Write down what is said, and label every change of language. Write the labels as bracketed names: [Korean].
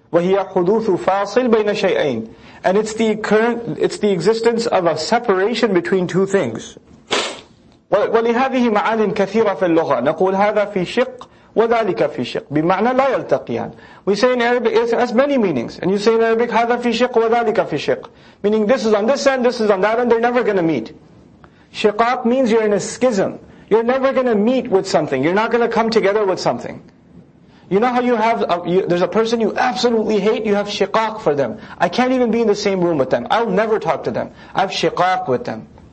[Arabic] Wa hiya huduthu fasil bayna shay'ain. [English] And it's the existence of a separation between two things. [Arabic] Wa li hadhihi ma'anin kathira fil lugha. Naqul hadha fi shiq. وَذَلِكَ فِي شِقْ بِمَعْنَى لَا يَلْتَقِيَانِ. [English] We say in Arabic, it has many meanings. And you say in Arabic, [Arabic] هَذَا فِي شِقْ وَذَلِكَ فِي شِقْ. [English] Meaning this is on this end, this is on that end, they're never going to meet. شِقَاق means you're in a schism. You're never going to meet with something. You're not going to come together with something. You know how you have, there's a person you absolutely hate, you have شِقَاق for them. I can't even be in the same room with them. I'll never talk to them. I have شِقَاق with them.